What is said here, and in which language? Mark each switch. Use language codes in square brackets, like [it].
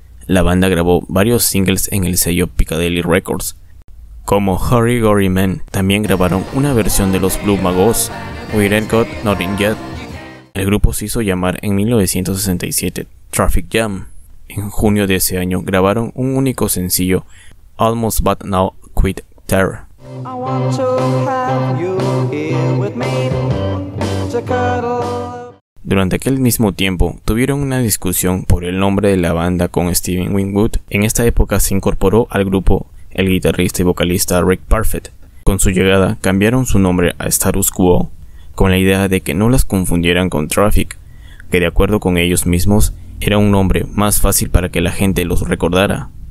[es] La banda grabó varios singles en el sello Piccadilly Records, como Hurry Gory Man. También grabaron una versión de los Blue Magos, We Ain't Got Nothing Yet. El grupo se hizo llamar en 1967 Traffic Jam. En junio de ese año grabaron un único sencillo, Almost But Now Quit Terror. [en] I want to have you here with me to cuddle. [es] Durante aquel mismo tiempo, tuvieron una discusión por el nombre de la banda con Steven Winwood. En esta época se incorporó al grupo el guitarrista y vocalista Rick Parfitt. Con su llegada, cambiaron su nombre a Status Quo, con la idea de que no las confundieran con Traffic, que de acuerdo con ellos mismos, era un nombre más fácil para que la gente los recordara.